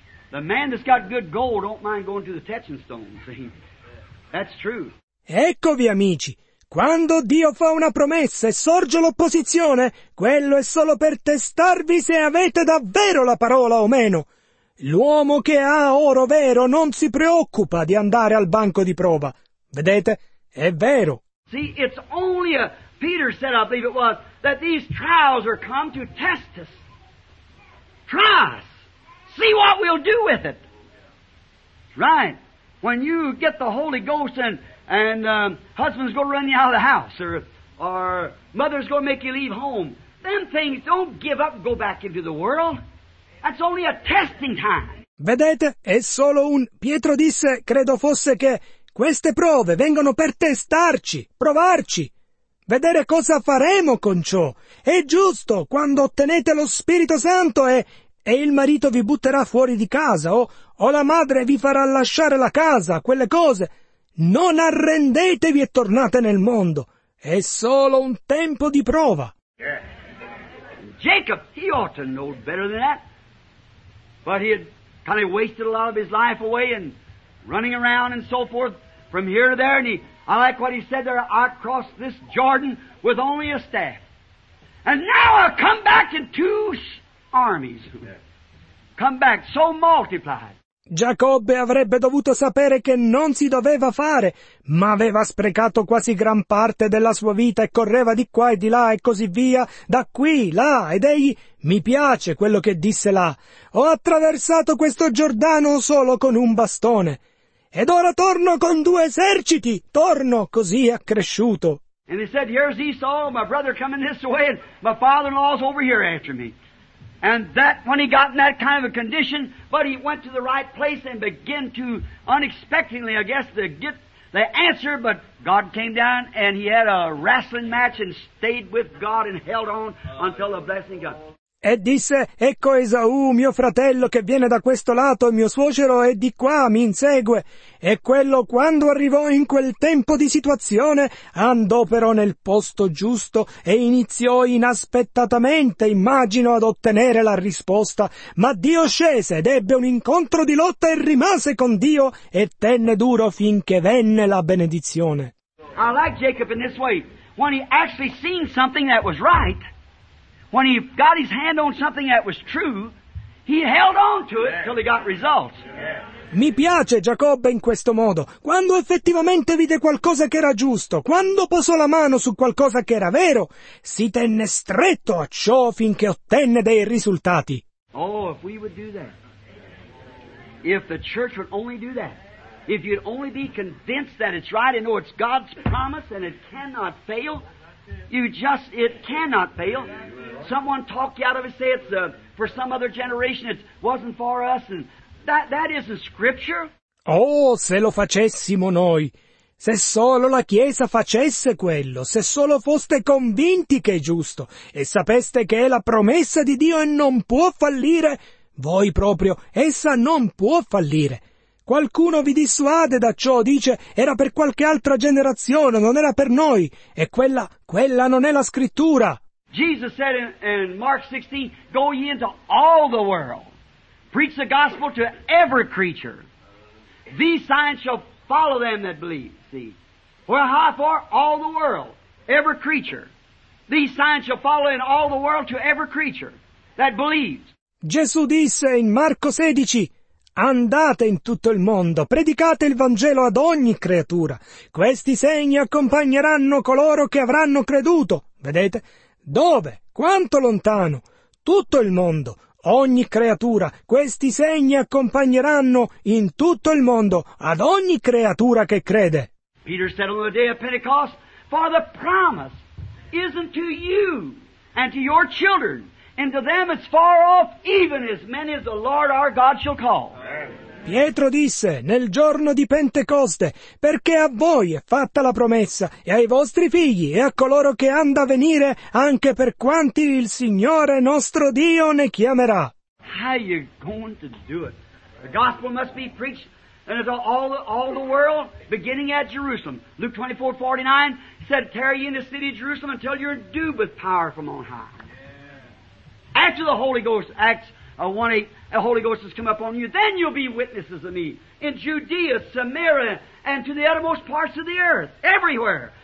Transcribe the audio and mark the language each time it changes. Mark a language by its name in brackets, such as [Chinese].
[English] The man that's got good gold don't mind going to the touching stone. See? That's true. [Italian] Eccovi, amici. Quando Dio fa una promessa e sorge l'opposizione, quello è solo per testarvi se avete davvero la parola o meno. L'uomo che ha oro vero non si preoccupa di andare al banco di prova. Vedete? È vero. [English] See, it's only a Peter said, I believe it was, that these trials are come to test us. Try us. See what we'll do with it. Right. When you get the Holy Ghost and husband's going to run you out of the house, or mother's going to make you leave home, them things, don't give up and go back into the world. That's only a testing time. [Italian] Vedete, è solo un... Pietro disse, credo fosse che... Queste prove vengono per testarci, provarci, vedere cosa faremo con ciò. È giusto quando ottenete lo Spirito Santo e il marito vi butterà fuori di casa o la madre vi farà lasciare la casa, quelle cose. Non arrendetevi e tornate nel mondo. È solo un tempo di prova. [English] Yeah. Jacob, he ought to know better than that. But he had kind of wasted a lot of his life away and running around and so forth from here to there. And I like what he said there, I crossed this Jordan with only a staff. And now I come back in two armies. Come back so multiplied. [Italian] Giacobbe avrebbe dovuto sapere che non si doveva fare, ma aveva sprecato quasi gran parte della sua vita e correva di qua e di là e così via, da qui, là, ed egli, mi piace quello che disse là, ho attraversato questo Giordano solo con un bastone, ed ora torno con due eserciti, torno così accresciuto. [English] And they said, here's Esau, my brother coming this way, and my father-in-law's over here after me. And that, when he got in that kind of a condition, but he went to the right place and began to, unexpectedly, I guess, to get the answer, but God came down and he had a wrestling match and stayed with God and held on until the blessing got. [Italian] E disse, ecco Esaù, mio fratello che viene da questo lato e mio suocero è di qua, mi insegue. E quello, quando arrivò in quel tempo di situazione, andò però nel posto giusto e iniziò inaspettatamente, immagino, ad ottenere la risposta. Ma Dio scese ed ebbe un incontro di lotta e rimase con Dio e tenne duro finché venne la benedizione. [English] I like Jacob in this way, when he actually seen something that was right. When he got his hand on something that was true, he held on to it till he got results. [Italian] Mi piace Giacobbe in questo modo. Quando effettivamente vide qualcosa che era giusto, quando posò la mano su qualcosa che era vero, si tenne stretto a ciò finché ottenne dei risultati. [English] Oh, if we would do that. If the church would only do that. If you'd only be convinced that it's right and know it's God's promise and it cannot fail. It cannot fail. Someone talk you out of it, say it's for some other generation, it wasn't for us, and that is a scripture. [Italian] Oh, se lo facessimo noi, se solo la Chiesa facesse quello, se solo foste convinti che è giusto, e sapeste che è la promessa di Dio e non può fallire, voi proprio, essa non può fallire. Qualcuno vi dissuade da ciò, dice, era per qualche altra generazione, non era per noi, e quella non è la scrittura. [English] Jesus said in Mark 16, go ye into all the world, preach the gospel to every creature. These signs shall follow them that believe. See, where how far? All the world, every creature. These signs shall follow in all the world to every creature that believes. [Italian] Gesù disse in Marco 16, andate in tutto il mondo, predicate il Vangelo ad ogni creatura. Questi segni accompagneranno coloro che avranno creduto. Vedete? Dove? Quanto lontano? Tutto il mondo, ogni creatura, questi segni accompagneranno in tutto il mondo ad ogni creatura che crede. [English] Peter said on the day of Pentecost, for the promise isn't to you and to your children, and to them it's far off, even as many as the Lord our God shall call. [Italian] Pietro disse, nel giorno di Pentecoste, perché a voi è fatta la promessa, e ai vostri figli, e a coloro che han da venire, anche per quanti il Signore nostro Dio ne chiamerà. [English] How are you going to do it? The gospel must be preached unto all the world, beginning at Jerusalem. Luke 24:49 said, tarry ye in the city of Jerusalem until you're endued with power from on high. After the Holy Ghost, Acts 1:8, the Holy Ghost has come upon you, then you'll be witnesses of me in Judea, Samaria, and to the uttermost parts of the earth, everywhere.